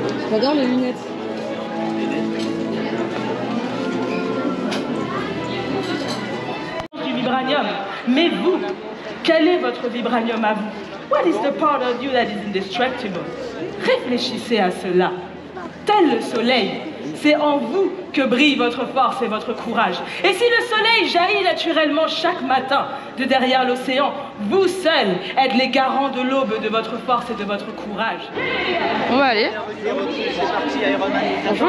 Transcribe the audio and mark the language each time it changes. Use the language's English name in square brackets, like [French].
[French] J'adore les lunettes. Du vibranium, mais vous, quel est votre vibranium à vous? [English] What is the part of you that is indestructible? [French] Réfléchissez à cela. Tel le soleil, c'est en vous que brille votre force et votre courage. Et si le soleil jaillit naturellement chaque matin de derrière l'océan, vous seul êtes les garants de l'aube de votre force et de votre courage. On va aller. Bonjour.